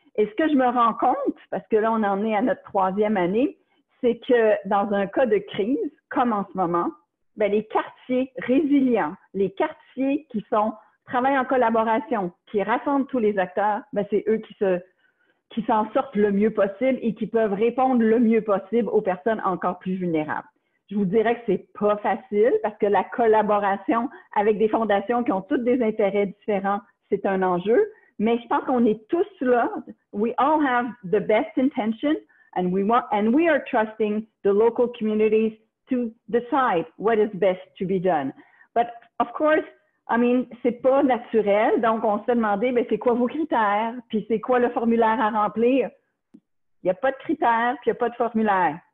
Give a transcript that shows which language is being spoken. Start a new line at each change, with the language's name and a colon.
French: Et ce que je me rends compte, parce que là, on en est à notre troisième année, c'est que dans un cas de crise, comme en ce moment, bien, les quartiers résilients, les quartiers qui sont travaillent en collaboration, qui rassemblent tous les acteurs, bien, c'est eux qui s'en sortent le mieux possible et qui peuvent répondre le mieux possible aux personnes encore plus vulnérables. Je vous dirais que c'est pas facile parce que la collaboration avec des fondations qui ont toutes des intérêts différents, c'est un enjeu. Mais je pense qu'on est tous là.
English: We all have the best intention and we are trusting the local communities to decide what is best to be done. But of course, I mean,
French: c'est pas naturel. Donc, on s'est demandé, mais c'est quoi vos critères? Puis c'est quoi le formulaire à remplir? Il n'y a pas de critères, puis il n'y a pas de formulaire.